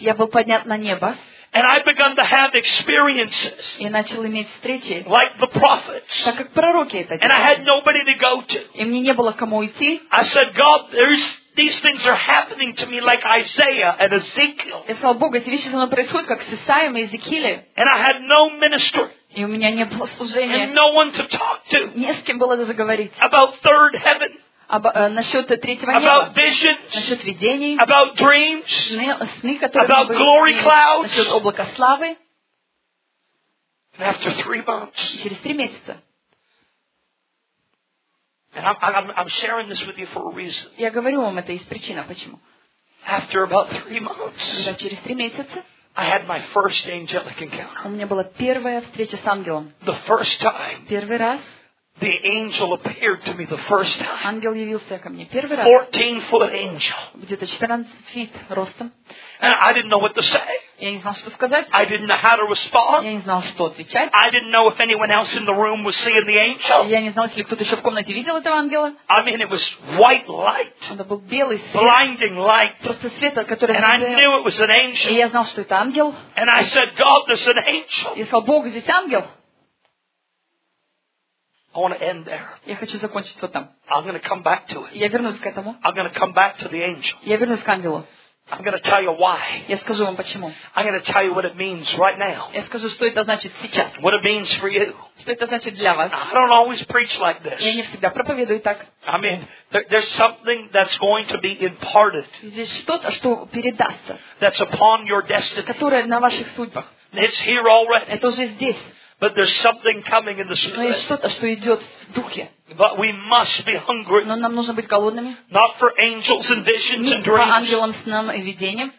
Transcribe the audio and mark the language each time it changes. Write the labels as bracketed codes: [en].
[ru] Я был поднят на небо. [en] And I began to have experiences. [ru] Я начал иметь встречи. [en] Like the prophets. [ru] Так как пророки это делали. [en] And I had nobody to go to. [ru] И мне не было кому идти. [en] I said, God, these things are happening to me like Isaiah and Ezekiel. [ru] Я сказал, Бог, эти вещи со мной происходят как с Исаием и Иезекиилем. [en] And I had no ministry. [ru] И у меня не было служения. [en] And no one to talk to. [ru] Не с кем было даже говорить. [en] About third heaven. [ru] Насчет третьего [en] about [ru] неба, [en] visions, [ru] насчет видений, [en] about dreams, [ru] сны, [en] about glory [ru] сны, [en] clouds, [ru] насчет облака славы. [en] And after 3 months, [ru] через 3 месяца. [en] And I'm sharing this with you for a reason. [ru] Я говорю вам это из причины, почему. [en] After about 3 months, [ru] когда через 3 месяца, [en] I had my first angelic encounter. [ru] У меня была первая встреча с ангелом. [en] The first time. [ru] Первый раз. [en] The angel appeared to me the first time. [ru] Ангел явился ко мне первый раз. [en] 14-foot angel. [ru] Где-то 14 feet ростом. [en] And I didn't know what to say. [ru] Я не знал, что сказать. [en] I didn't know how to respond. [ru] Я не знал, что отвечать. [en] I didn't know if anyone else in the room was seeing the angel. [ru] Я не знал, если кто-то еще в комнате видел этого ангела. [en] I mean, it was white light. [ru] Это был белый свет. [en] Blinding light. [ru] Просто свет, от которого. [en] And I knew it was an angel. [ru] И я знал, что это ангел. [en] And I said, God, there's an angel. [ru] Я сказал, Бог, здесь ангел. [en] I want to end there. [ru] Я хочу закончить вот там. [en] I'm going to come back to it. [ru] Я вернусь к этому. [en] I'm going to come back to the angel. [ru] Я вернусь к ангелу. [en] I'm going to tell you why. [ru] Я скажу вам почему. [en] I'm going to tell you what it means right now. [ru] Я скажу, что это значит сейчас. [en] What it means for you. [ru] Что это значит для вас. [en] I don't always preach like this. [ru] Я не всегда проповедую так. [en] I mean, there's something that's going to be imparted. [ru] Здесь что-то, что передастся. [en] That's upon your destiny. [ru] Которое на ваших судьбах. [en] It's here already. [ru] Это уже здесь. [en] But there's something coming in the spirit. [ru] Но есть что-то, что идет в духе. [en] But we must be hungry. [ru] Но нам нужно быть голодными. [en] Not for angels and visions and dreams. [ru] Не по ангелам, снам и видениям.